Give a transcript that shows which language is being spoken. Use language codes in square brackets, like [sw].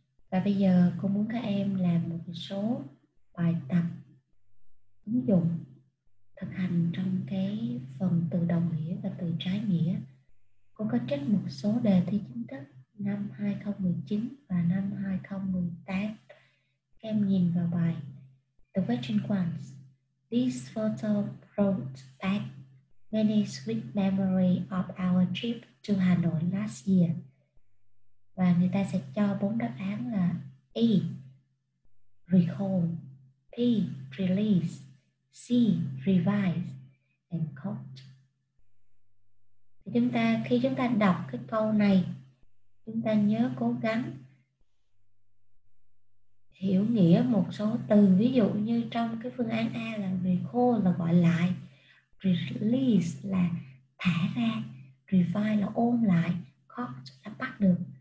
[vi] Và bây giờ cô muốn các em làm một số bài tập ứng dụng thực hành trong cái phần từ đồng nghĩa và từ trái nghĩa. Cô có trích một số đề thi chính thức năm 2019 và năm 2018. Các em nhìn vào bài [en] The Question Ones. This photo brought back many sweet memories of our trip to Hà Nội last year. [vi] Và người ta sẽ cho bốn đáp án là A, recall, B, release, C, revise, and quote. Thì chúng ta, khi chúng ta đọc cái câu này, chúng ta nhớ cố gắng hiểu nghĩa một số từ, ví dụ như trong cái phương án A là recall là gọi lại, release là thả ra, revise là ôm lại, caught là bắt được.